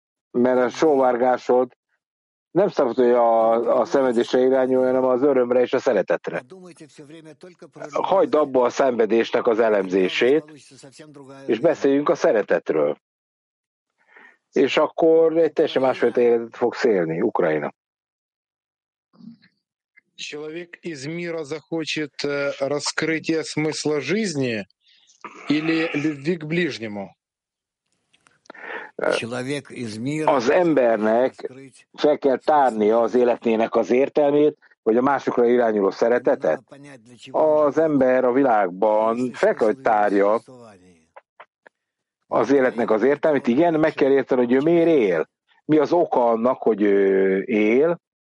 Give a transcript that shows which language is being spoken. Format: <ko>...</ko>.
<hu>Mert a sóvárgásod nem szabad, hogy a szenvedésre irányuljon, hanem az örömre és a szeretetre. Hagyd abba a szenvedésnek az elemzését, és beszéljünk a szeretetről. És akkor egy teljesen másfajta életet fogsz élni, Ukrajna.</hu> <ru>Человек из мира захочет раскрытия смысла жизни или любви к ближнему? Человек из мира.</ru> <hu>Az embernek fel kell tárni az életének az értelmét, vagy a másokra irányuló szeretetet. Az ember a világban fel kell, hogy tárja az életnek az értelmét. Igen, meg kell érteni, hogy ő miért él. Mi az oka annak, hogy ő él?</hu>